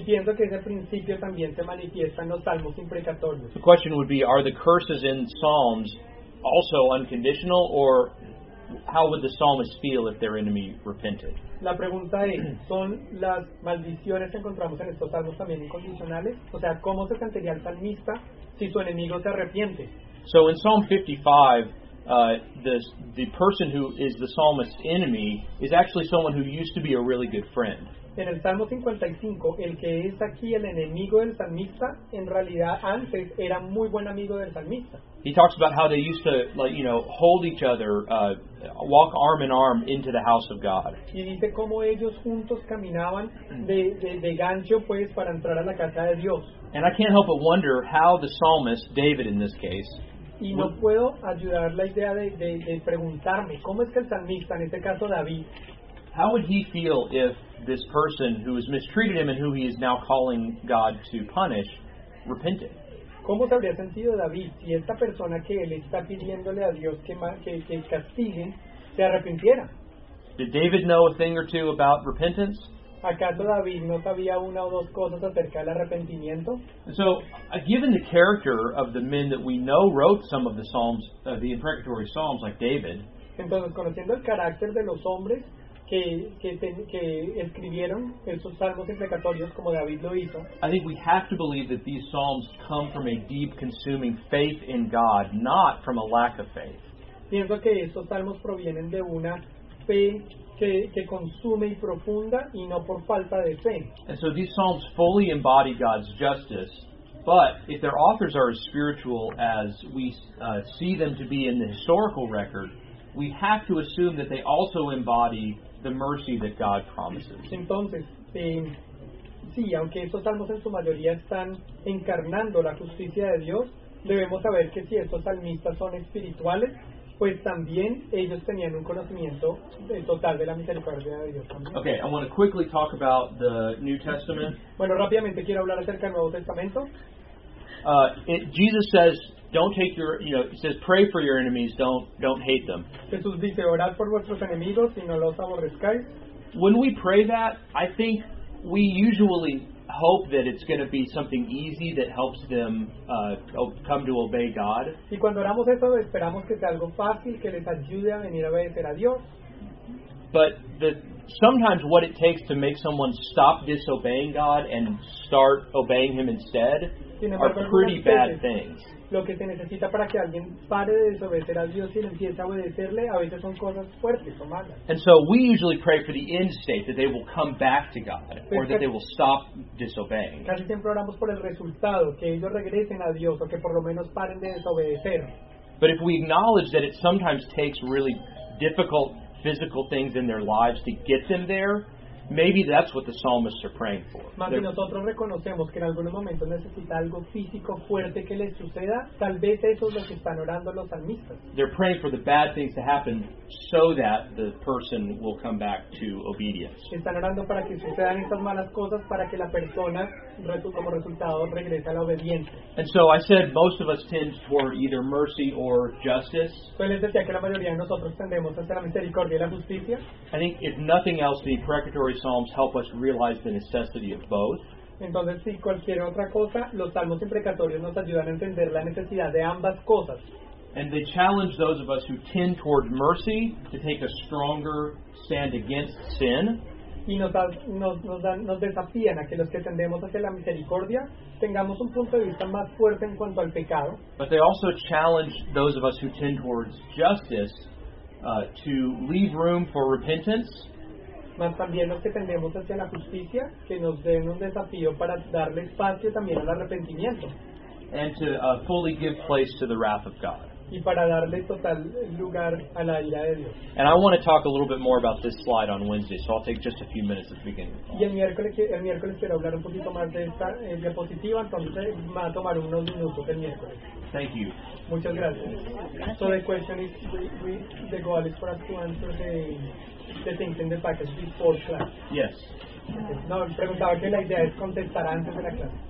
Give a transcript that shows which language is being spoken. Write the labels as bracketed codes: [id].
[es] Y pienso que ese principio también se manifiesta en los salmos imprecatorios. [en] The question would be, are the curses in psalms also unconditional, or how would the psalmist feel if their enemy repented? [es] La pregunta es, ¿son las maldiciones que encontramos en estos salmos también incondicionales? O sea, ¿cómo se sentiría el salmista si su enemigo se arrepiente? [en] So in Psalm 55, the person who is the psalmist's enemy is actually someone who used to be a really good friend. [es] en el Salmo 55, el que es aquí el enemigo del salmista, en realidad antes era muy buen amigo del salmista. [en] He talks about how they used to, like, you know, hold each other, walk arm in arm into the house of God. [es] Y dice cómo ellos juntos caminaban de gancho, pues, para entrar a la casa de Dios. [en] And I can't help but wonder how the psalmist, David in this case, [es] y no puedo ayudar la idea de preguntarme cómo es que el salmista, en este caso David, [en] how would he feel if this person who has mistreated him and who he is now calling God to punish repented? [es] ¿Cómo se habría sentido David si esta persona que él está pidiéndole a Dios que castigue se arrepintiera? [en] Did David know a thing or two about repentance? [es] ¿Acaso David no sabía una o dos cosas acerca del arrepentimiento? [en] So, given the character of the men that we know wrote some of the psalms, the imprecatory psalms, like David. [es] Entonces, conociendo el carácter de los hombres que escribieron esos salmos imprecatorios como David lo hizo, [en] I think we have to believe that these psalms come from a deep, consuming faith in God, not from a lack of faith. [es] Pienso que esos salmos provienen de una fe que consume y profunda y no por falta de fe. [en] And so these psalms fully embody God's justice, but if their authors are as spiritual as we see them to be in the historical record, we have to assume that they also embody the mercy that God promises. [es] Entonces, sí, aunque estos salmos en su mayoría están encarnando la justicia de Dios, debemos saber que si estos salmistas son espirituales, pues también ellos tenían un conocimiento total de la misericordia de Dios también. [en] Okay, I want to quickly talk about the New Testament. [es] Bueno, rápidamente quiero hablar acerca del Nuevo Testamento. [en] Jesus says, don't take your, you know, he says, pray for your enemies, don't hate them. [es] Jesús dice, orad por vuestros enemigos y no los aborrezcáis. [en] When we pray that, I think we usually hope that it's going to be something easy that helps them come to obey God. [es] Y cuando oramos eso, esperamos que sea algo fácil que les ayude a venir a obedecer a Dios. [en] But sometimes what it takes to make someone stop disobeying God and start obeying Him instead are pretty bad things. [es] Lo que se necesita para que alguien pare de desobedecer a Dios y empiece a obedecerle, a veces son cosas fuertes o malas. [en] And so we usually pray for the end state, that they will come back to God, or that they will stop disobeying. [es] Casi siempre oramos por el resultado, que ellos regresen a Dios, o que por lo menos paren de desobedecer. [en] But if we acknowledge that it sometimes takes really difficult physical things in their lives to get them there, maybe that's what the psalmists are praying for. [es] Más si nosotros reconocemos que en algunos momentos necesita algo físico fuerte que les suceda, tal vez eso es lo que están orando los salmistas. [en] They're praying for the bad things to happen so that the person will come back to obedience. [es] Están orando para que sucedan estas malas cosas para que la persona, como resultado, regrese a la obediencia. [en] And so I said most of us tend toward either mercy or justice. [es] Pues les decía que la mayoría de nosotros tendemos hacia la misericordia y la justicia. [en] I think if nothing else, the imprecatory psalms help us realize the necessity of both. [es] Entonces, si cualquier otra cosa, los salmos imprecatorios nos ayudan a entender la necesidad de ambas cosas. [en] And they challenge those of us who tend toward mercy to take a stronger stand against sin. [es] Y nos desafían a que los que tendemos hacia la misericordia tengamos un punto de vista más fuerte en cuanto al pecado. [en] But they also challenge those of us who tend towards justice to leave room for repentance. [es] Más también los que tendemos hacia la justicia, que nos den un desafío para darle espacio también al arrepentimiento. [en] And to fully give place to the wrath of God. [es] Y para darle total lugar a la ira de Dios. [en] And I want to talk a little bit more about this slide on Wednesday, so I'll take just a few minutes at the beginning. [es] Y el miércoles quiero hablar un poquito más de esta diapositiva, entonces va a tomar unos minutos el miércoles. [en] Thank you. [es] Muchas gracias. [en] So the question is, the goal is for us to answer the things in the package before class. Yes. [es] No, preguntaba que la idea es contestar antes de la clase.